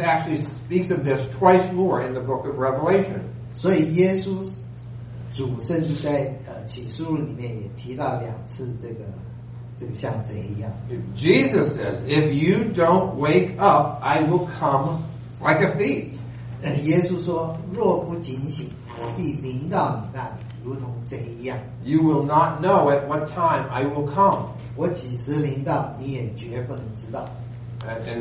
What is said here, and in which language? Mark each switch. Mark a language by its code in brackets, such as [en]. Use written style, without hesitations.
[en] actually speaks of this twice more in the book of Revelation. [zh] 所以耶稣主甚至在启示录里面也提到两次这个像贼一样。Jesus [en] says, if you don't wake up, I will come like a thief. [zh] 耶稣说，若不警醒，我必临到你那里，如同贼一样。 [en] You will not know at what time I will come. [zh] 我几时临到，你也绝不能知道。 [en] And